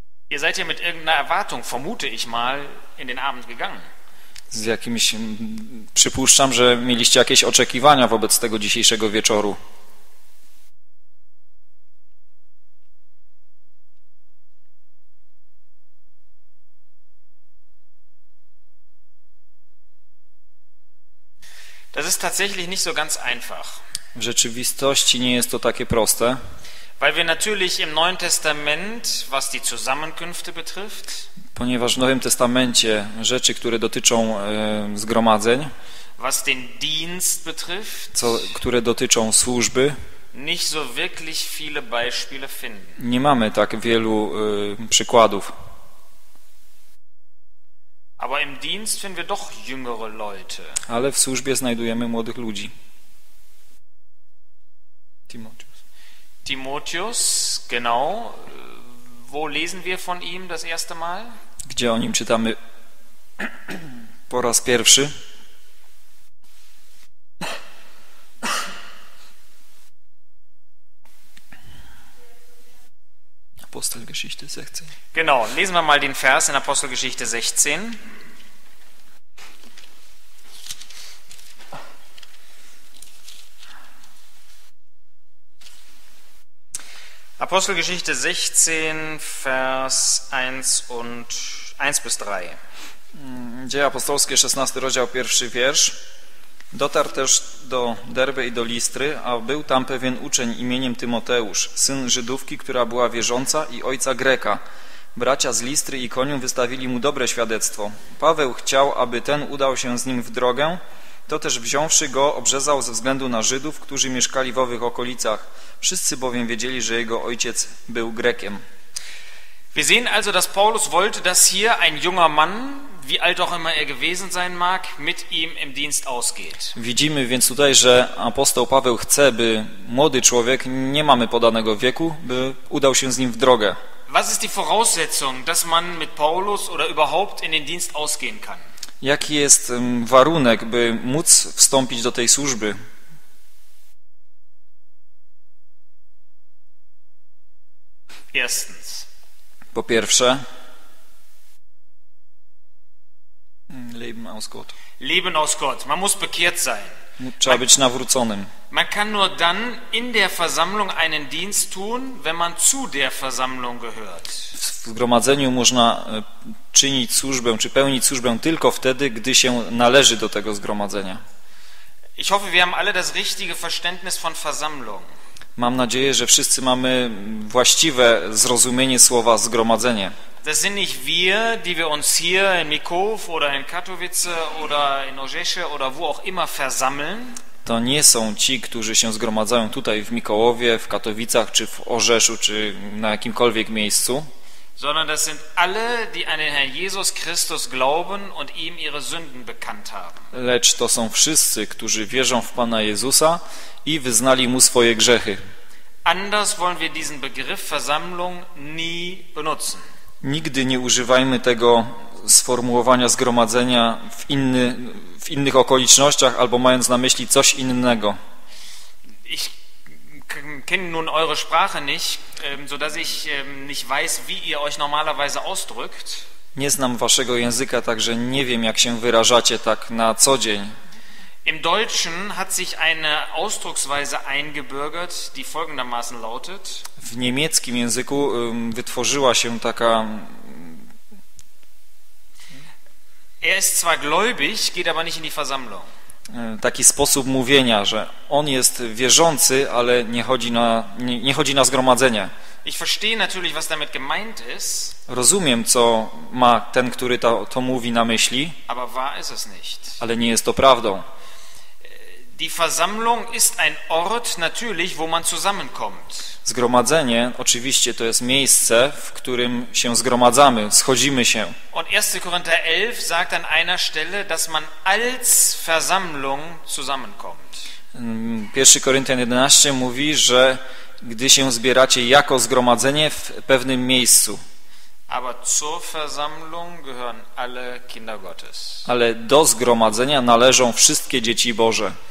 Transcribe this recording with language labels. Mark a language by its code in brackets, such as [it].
[de] Ihr seid ja mit irgendeiner Erwartung, vermute ich mal, in den Abend gegangen. [pl] Z jakimś, przypuszczam, że mieliście jakieś oczekiwania wobec tego dzisiejszego wieczoru. [de] Das ist tatsächlich nicht so ganz einfach. [pl] W rzeczywistości nie jest to takie proste. [de] Weil wir natürlich im Neuen Testament, was die Zusammenkünfte betrifft, [pl] ponieważ w Nowym Testamencie rzeczy, które dotyczą zgromadzeń, [de] was den Dienst betrifft, [pl] które dotyczą służby, [de] nicht so wirklich viele Beispiele finden. [pl] Nie mamy tak wielu przykładów. [de] Aber im Dienst finden wir doch jüngere Leute. [pl] Ale w służbie znajdujemy młodych ludzi. [de] Timotheus, genau. Wo lesen wir von ihm das erste Mal? [pl] Gdzie o nim czytamy po raz pierwszy? [de] Apostelgeschichte 16. Genau, lesen wir mal den Vers in Apostelgeschichte 16. Apostelgeschichte 16, Vers 1 und 1 bis 3. [pl] Dzieje apostolskie, 16 rozdział, pierwszy wiersz. Dotarł też do Derby i do Listry, a był tam pewien uczeń imieniem Tymoteusz, syn Żydówki, która była wierząca i ojca Greka. Bracia z Listry i Koniu wystawili mu dobre świadectwo. Paweł chciał, aby ten udał się z nim w drogę, to też wziąwszy go, obrzezał ze względu na Żydów, którzy mieszkali w owych okolicach. Wszyscy bowiem wiedzieli, że jego ojciec był Grekiem. [de] Wir sehen also, dass Paulus wollte, dass hier ein junger Mann, wie alt auch immer er gewesen sein mag, mit ihm im Dienst ausgeht. [pl] Widzimy więc tutaj, że apostoł Paweł chce, by młody człowiek, nie mamy podanego wieku, by udał się z nim w drogę. [de] Was ist die Voraussetzung, dass man mit Paulus oder überhaupt in den Dienst ausgehen kann? [pl] Jaki jest warunek, by móc wstąpić do tej służby? [de] Erstens. [pl] Po pierwsze. [de] Leben aus Gott. Leben aus Gott. Man muss bekehrt sein. [pl] Trzeba być nawróconym. [de] Man kann nur dann in der Versammlung einen Dienst tun, wenn man zu der Versammlung gehört. [pl] W zgromadzeniu można czynić służbę, czy pełnić służbę tylko wtedy, gdy się należy do tego zgromadzenia. [de] Ich hoffe, wir haben alle das richtige Verständnis von Versammlung. [pl] Mam nadzieję, że wszyscy mamy właściwe zrozumienie słowa zgromadzenie. [de] Das sind nicht wir, die wir uns hier in Mikow oder in Katowice oder in Ożesze oder wo auch immer versammeln. [pl] To nie są ci, którzy się zgromadzają tutaj w Mikołowie, w Katowicach, czy w Ożeszu, czy na jakimkolwiek miejscu. [de] Sondern das sind alle, die an den Herrn Jesus Christus glauben und ihm ihre Sünden bekannt haben. [pl] Lecz to są wszyscy, którzy wierzą w Pana Jezusa i wyznali mu swoje grzechy. [de] Anders wollen wir diesen Begriff Versammlung nie benutzen. [pl] Nigdy nie używajmy tego sformułowania zgromadzenia w innych okolicznościach albo mając na myśli coś innego. [de] Ich kenne nun eure Sprache nicht, so dass ich nicht weiß, wie ihr euch normalerweise ausdrückt. [pl] Nie znam waszego języka, także nie wiem, jak się wyrażacie tak na co dzień. [de] Im Deutschen hat sich eine Ausdrucksweise eingebürgert, die folgendermaßen lautet. [pl] W niemieckim języku wytworzyła się taka. [de] Er ist zwar gläubig, geht aber nicht in die Versammlung. [pl] Taki sposób mówienia, że on jest wierzący, ale nie chodzi na zgromadzenie. [de] Ich verstehe natürlich, was damit gemeint ist. [pl] Rozumiem, co ma ten, który to mówi na myśli. [de] Aber wahr ist es nicht. [pl] Ale nie jest to prawdą. [de] Die Versammlung ist ein Ort natürlich, wo man zusammenkommt. [pl] Zgromadzenie, oczywiście, to jest miejsce, w którym się zgromadzamy, schodzimy się. [de] Und 1. Korinther 11 sagt an einer Stelle, dass man als Versammlung zusammenkommt. [pl] 1. Korinther 11 mówi, że gdy się zbieracie jako zgromadzenie w pewnym miejscu. [de] Aber zur Versammlung gehören alle Kinder Gottes. [pl] Ale do zgromadzenia należą wszystkie dzieci Boże.